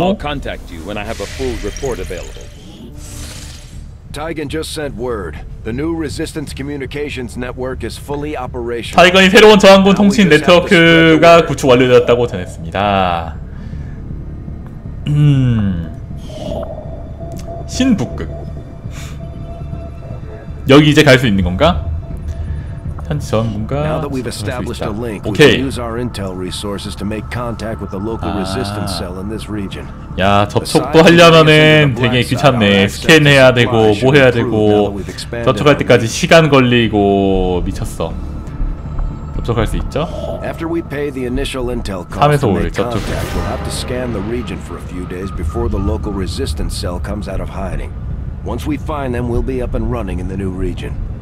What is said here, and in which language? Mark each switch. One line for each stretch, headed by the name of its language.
English: I'll contact you when I have a full report available. Tigan just sent word. The new resistance communications network is fully operational.
Korean: 타이건이 새로운 저항군 통신 네트워크가 구축 완료되었다고 전했습니다. 신북극. 여기 이제 갈 수 있는 건가? 전문가.
English: Now that we've established a link, we can use our intel resources to make contact with the local resistance cell in this region.
Korean: 야, 접촉도 하려면은 되게 귀찮네. 스캔해야 되고 뭐 해야 되고 접촉할 때까지 시간 걸리고 미쳤어. 접촉할 수 있죠?
English: After we pay the initial intel cost, we'll have to scan the region for a few days before the local resistance cell comes out of hiding. Once we find them, we'll be up and running in the new region.